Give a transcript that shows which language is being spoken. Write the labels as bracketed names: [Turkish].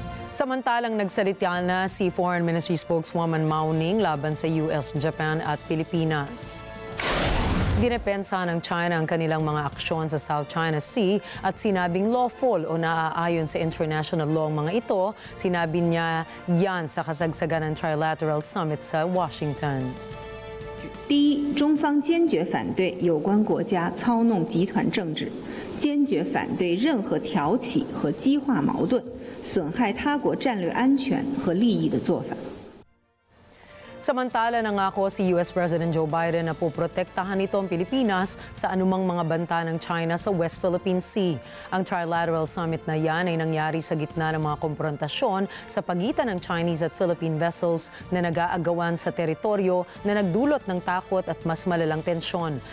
[Filipino] Samantalang nagsalita na si Foreign Ministry Spokeswoman Mao Ning laban sa US, Japan at Pilipinas. Dinepensa ng China ang kanilang mga aksyon sa South China Sea at sinabing lawful o naaayon sa international law ang mga ito. Sinabi niya yan sa kasagsagan ng trilateral summit sa Washington. [Chinese] 第一，中方坚决反对有关国家操弄集团政治，坚决反对任何挑起和激化矛盾、损害他国战略安全和利益的做法。 [Filipino] Samantala, nangako si US President Joe Biden na poprotektahan nito ang Pilipinas sa anumang mga banta ng China sa West Philippine Sea. Ang trilateral summit na yan ay nangyari sa gitna ng mga konfrontasyon sa pagitan ng Chinese at Philippine vessels na nag-aagawan sa teritoryo na nagdulot ng takot at mas malalang tensyon.